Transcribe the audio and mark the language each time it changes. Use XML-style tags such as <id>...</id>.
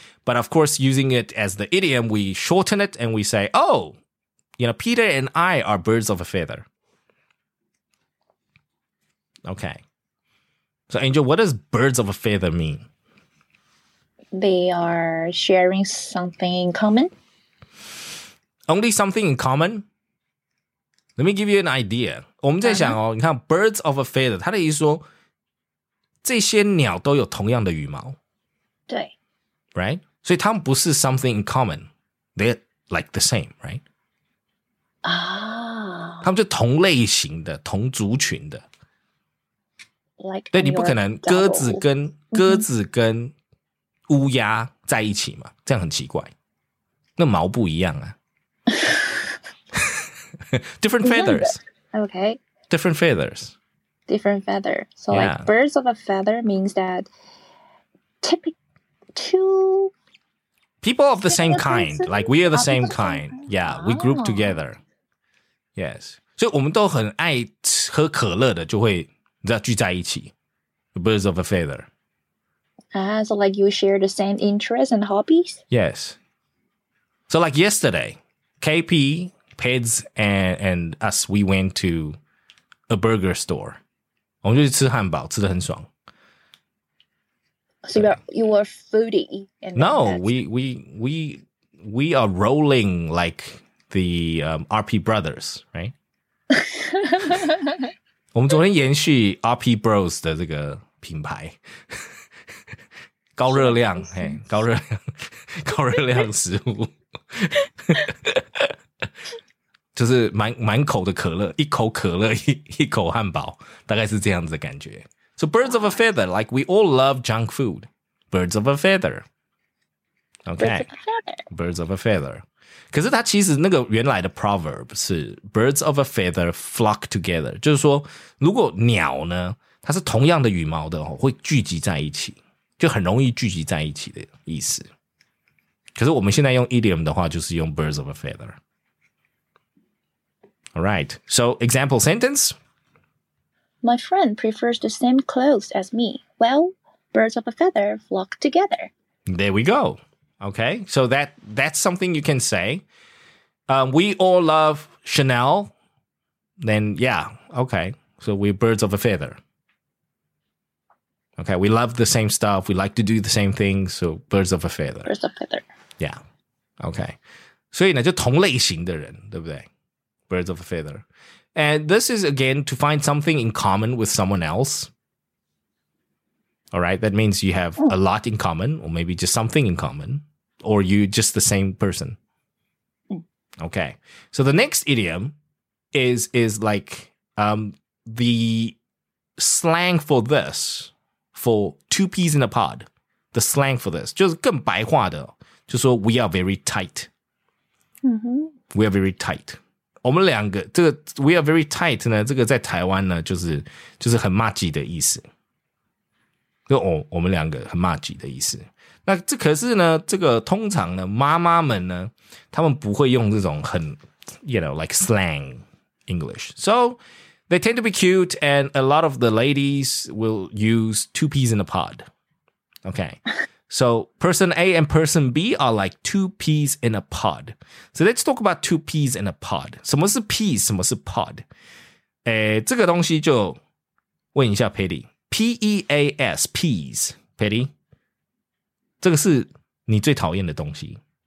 <en>But of course, using it as the idiom, we shorten it and we say, oh, you know, Peter and I are birds of a feather. Okay. So, Angel, what does birds of a feather mean? They are sharing something in common. Only something in common? Let me give you an idea.</en> <zh>我们在想哦,你看,</zh> <en>birds of a feather,</en> <zh>它的意思说, 这些鸟都有同样的羽毛。对。</zh> <en>Right?</en> <zh>所以它们不是</zh> <en>something in common. They're, like the same, right? 啊，</en> <zh>他们就同类型的，同族群的。</zh> <en>Like</en> <zh>对，你不可能鸽子跟乌鸦在一起嘛，这样很奇怪。那毛不一样啊。</zh> <en>Different feathers. Okay. Different feathers. Different feather. So yeah. Like birds of a feather means that people of the same kind. Like we are the same kind. Yeah, we group together. Yes.</en> <zh>所以我们都很爱喝可乐的就会聚在一起。</zh> <en>Birds of a feather. So like you share the same interests and hobbies? Yes. So like yesterday, KP... Peds and us, we went to a burger store.</en> <zh>我们就去吃汉堡，吃得很爽。</zh> <en>So you are foodie? And no, we are rolling like the RP brothers, right?</en> <zh>我们昨天延续 RP Bros 的这个品牌。高热量，嘿，高热量食物。就是满口的可乐，一口可乐，一口汉堡，大概是这样子的感觉。</zh> <en>So birds of a feather, like we all love junk food. Birds of a feather. Okay. Birds of a feather.</en> <zh>可是它其实那个原来的 proverb 是</zh> <en>birds of a feather flock together.</en> <zh>就是说如果鸟呢它是同样的羽毛的会聚集在一起。就很容易聚集在一起的意思。可是我们现在用 idiom 的话就是用</zh> <en>birds of a feather. All right, so example sentence. My friend prefers the same clothes as me. Well, birds of a feather flock together. There we go. Okay, so that's something you can say. We all love Chanel. Then, yeah, okay. So we're birds of a feather. Okay, we love the same stuff. We like to do the same thing. So birds of a feather. Birds of a feather. Yeah, okay.</en> <zh>所以呢，就同类型的人，对不对？</zh> <en>Birds of a feather. And this is, again, to find something in common with someone else. All right? That means you have a lot in common, or maybe just something in common, or you're just the same person. Okay. So the next idiom is like the slang for this, for two peas in a pod. The slang for this.</en> <zh>就是更白话的，就说</zh> <en>we are very tight. Mm-hmm. We are very tight.</en> <zh>我们两个这个</zh> <en>we are very tight</en> <zh>呢这个在台湾呢就是很骂鸡的意思。就我们两个很骂鸡的意思。那这可是呢这个通常呢妈妈们呢他们不会用这种很</zh> <en>you know, like slang English. So, they tend to be cute and a lot of the ladies will use two peas in a pod. Okay. So, person A and person B are like two peas in a pod. So, let's talk about two peas in a pod.</en> <zh>什么是 peas? 什么是 pod? 这个东西就问一下 Petty.</zh> <en>P-E-A-S, peas.</en> <zh>Petty, 这个是你最讨厌的东西。</zh>